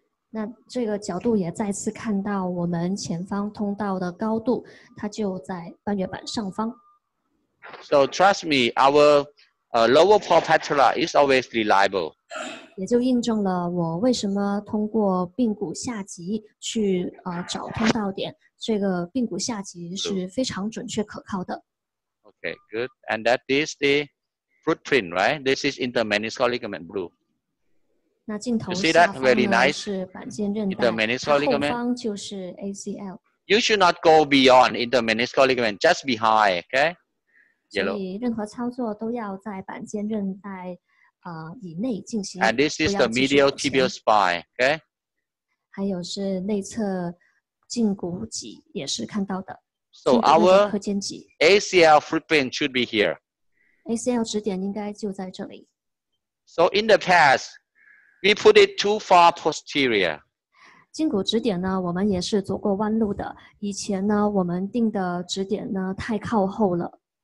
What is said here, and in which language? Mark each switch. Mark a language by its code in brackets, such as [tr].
[zh] 那这个角度也再次看到我们前方通道的高度，它就在半月板上方。 [en] So trust me, our lower pole patella is always reliable. [zh] 也就印证了我为什么通过髌骨下棘去找通道点，这个髌骨下棘是非常准确可靠的。 [en] Okay, good. And that is the footprint, right? This is intermeniscal ligament blue. [zh] 那镜头下方呢是板腱韧带，方就是 ACL. [en] You should not go beyond in the meniscal ligament, just behind, okay? [zh] 所以任何操作都要在板间韧带 以内进行, [en] and this is the medial tibial spine, okay? [zh] 还有是内侧胫骨脊也是看到的, [en] so our ACL foot pin should be here. [zh] ACL 指点应该就在这里。 [en] So in the past, we put it too far posterior. [zh] 胫骨指点呢，我们也是走过弯路的。以前呢，我们定的指点呢太靠后了。